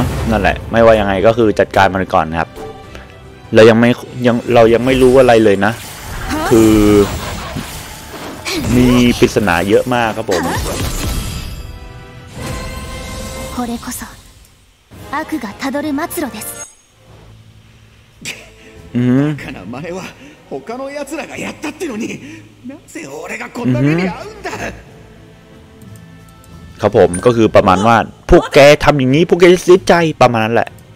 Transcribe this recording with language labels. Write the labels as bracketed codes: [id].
[th] นั่นแหละไม่ว่ายังไงก็คือจัดการมันก่อนครับเรายังไม่รู้อะไรเลยนะคือมีปริศนาเยอะมากครับผม [ja] これこそ悪がたどる末路です。馬鹿な真似は他の奴らがやったってのに、なぜ俺がこんな目に遭うんだ。 [th] ครับผมก็คือประมาณว่าพวกแกทำอย่างนี้พวกแกจะเสียใจประมาณนั้นแหละ。